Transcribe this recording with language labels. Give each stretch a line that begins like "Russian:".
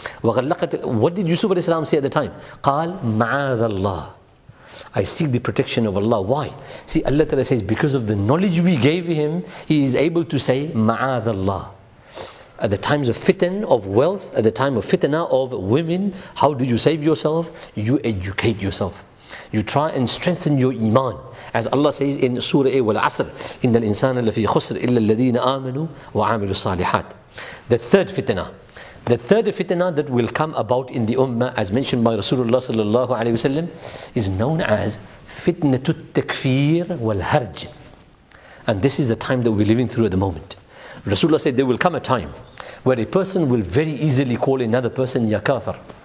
English: وَغَلَّقَتْ, what did Yusuf alayhi salam say at the time?
Arabic: قَالْ مَعَاذَ اللَّهِ,
English: I seek the protection of Allah. Why? See, Allah Ta'ala says, because of the knowledge we gave him, he is able to say, Ma'ad Allah. At the times of fitna of wealth, at the time of fitna of women, how do you save yourself? You educate yourself. You try and strengthen your iman. As Allah says in Surah Al-Asr,
Arabic: إِنَّ الْإِنسَانَ لَفِي خُسْرِ إِلَّا الَّذِينَ آمَنُوا وَعَامِلُوا الصَّالِحَاتِ.
English: The third fitna. The third fitna that will come about in the ummah, as mentioned by Rasulullah sallallahu alaihi wasallam, is known as fitnatu takfir wal harj. And this is the time that we're living through at the moment. Rasulullah said there will come a time where a person will very easily call another person ya kafir.